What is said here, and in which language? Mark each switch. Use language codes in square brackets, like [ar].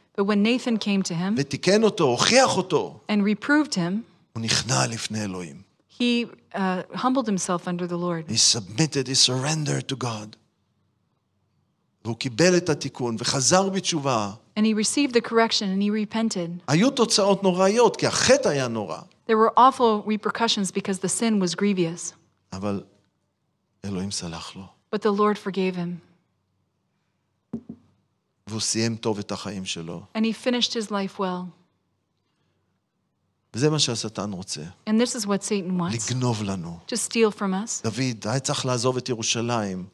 [en] But when Nathan came to him [he] ותיקן אותו, הוכיח אותו, [en] and reproved him, [he] הוא נכנע לפני אלוהים. [en] He humbled himself under the Lord. He submitted, he surrendered to God. [he] והוא קיבל את התיקון וחזר בתשובה. [en] And he received the correction and he repented. [he] היו תוצאות נוראיות כי החטא היה נורא. [en] There were awful repercussions because the sin was grievous. [he] אבל אלוהים סלח לו. [en] But the Lord forgave him. [he] והוא סיים טוב את החיים שלו. [en] And he finished his life well. [he] וזה מה שהשטן רוצה. [en] And this is what Satan wants. [he] לגנוב לנו. [en] To steal from us. [he] דוד היה צריך לעזוב את ירושלים.